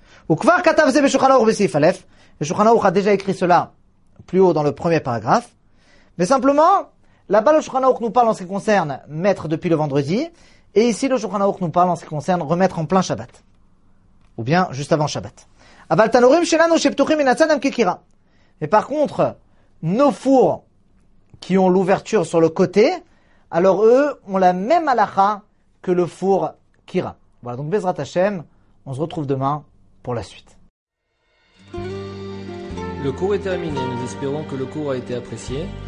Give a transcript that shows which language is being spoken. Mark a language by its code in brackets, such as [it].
[he] וכבר כתב זה בשולחן אור בסעיף א', [fr] ושולחן אור a déjà écrit cela plus haut dans le premier paragraphe. Mais simplement, là-bas le שולחן אור nous parle en ce qui concerne mettre depuis le vendredi, et ici le שולחן אור nous parle en ce qui concerne remettre en plein Shabbat. Ou bien juste avant Shabbat. [he] אבל תנורים שלנו שפתוחים מן הצד הם כקירה. [fr] Mais par contre, nos fours qui ont l'ouverture sur le côté, alors eux ont la même halakha que le four kira. Voilà, donc Bezrat Hashem, on se retrouve demain pour la suite. Le cours est terminé, nous espérons que le cours a été apprécié.